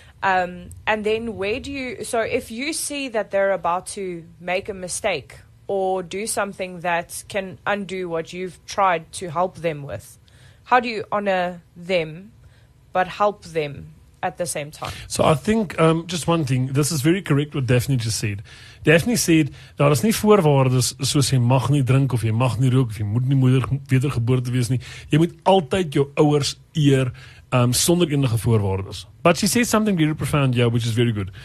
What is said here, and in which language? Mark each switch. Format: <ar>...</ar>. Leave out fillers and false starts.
<en>And then where do you, so if you see that they're about to make a mistake or do something that can undo what you've tried to help them with, how do you honor them but help them at the same time? So I think just one thing, this is very correct what Daphne just said.</en> <af>Daphne said, daar is nie voorwaardes soos jy mag nie drink of jy mag nie rook of jy moet nie moeder wedergeboorte wees nie. Jy moet altyd jou ouers eer sonder enige voorwaardes.</af> <en>But she says something very profound, yeah, which is very good.</en>